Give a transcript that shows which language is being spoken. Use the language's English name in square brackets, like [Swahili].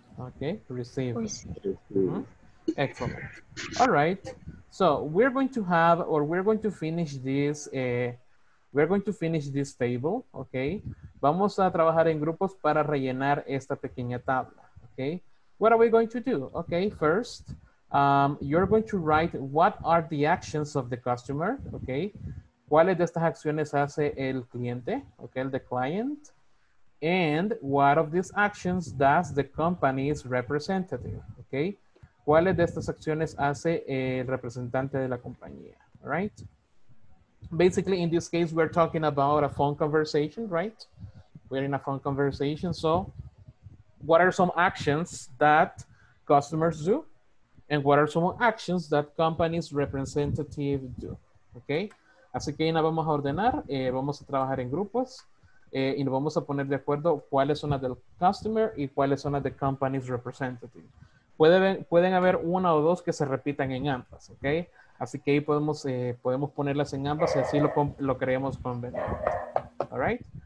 [English] Okay, receive. Receive. Mm-hmm. Excellent. All right. So we're going to finish this table. [Spanish] Okay. Vamos a trabajar en grupos para rellenar esta pequeña tabla. Okay. [English] What are we going to do? Okay, first, you're going to write what are the actions of the customer, okay? [Spanish] ¿Cuáles de estas acciones hace el cliente? Okay, [English] the client. And what of these actions does the company's representative, okay? [Spanish] ¿Cuáles de estas acciones hace el representante de la compañía, all right? [English] Basically, in this case, we're talking about a phone conversation, right? We're in a phone conversation. So what are some actions that customers do? And what are some actions that company's representative do? [Spanish] Okay, así que ahora vamos a ordenar, vamos a trabajar en grupos y nos vamos a poner de acuerdo cuáles son las del customer y cuáles son las de company's representative. Pueden haber una o dos que se repitan en ambas, okay? Así que ahí podemos, podemos ponerlas en ambas y así lo creemos conveniente. All right?